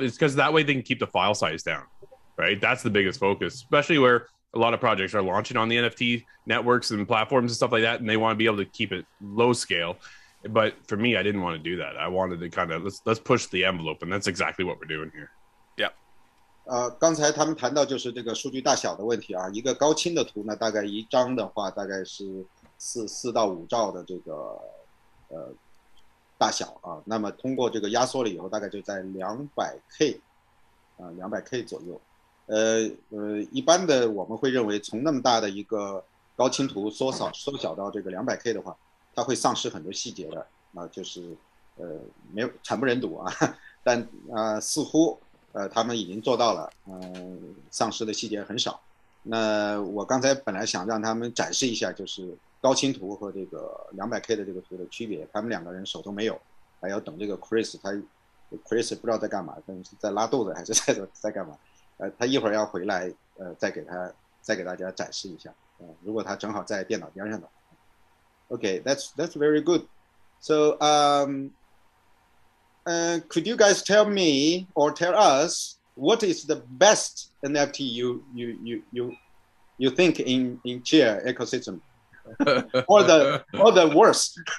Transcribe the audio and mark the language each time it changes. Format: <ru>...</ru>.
<en>It's because that way they can keep the file size down, right? That's the biggest focus, especially where a lot of projects are launching on the NFT networks and platforms and stuff like that, and they want to be able to keep it low scale. But for me, I didn't want to do that. I wanted to kind of let's push the envelope, and that's exactly what we're doing here. Yeah.</en> <zh>刚才他们谈到就是这个数据大小的问题啊，一个高清的图呢，大概一张的话大概是4到5兆的这个大小啊，那么通过这个压缩了以后，大概就在200K 啊，200K 左右。一般的我们会认为从那么大的一个高清图缩小到这个 200K 的话，它会丧失很多细节的啊，就是没有惨不忍睹啊，但似乎他们已经做到了，丧失的细节很少。那我刚才本来想让他们展示一下就是高清图和这个 200K 的这个图的区别，他们两个人手头没有，还要等这个 Chris， 他 Chris 不知道在干嘛，但是在拉豆子还是在干嘛，他一会儿要回来，再给大家展示一下，如果他正好在电脑边上的话。</zh> <en>Okay, that's very good. So, could you guys tell me or tell us what is the best NFT you think in Chia ecosystem? or the worst?</en>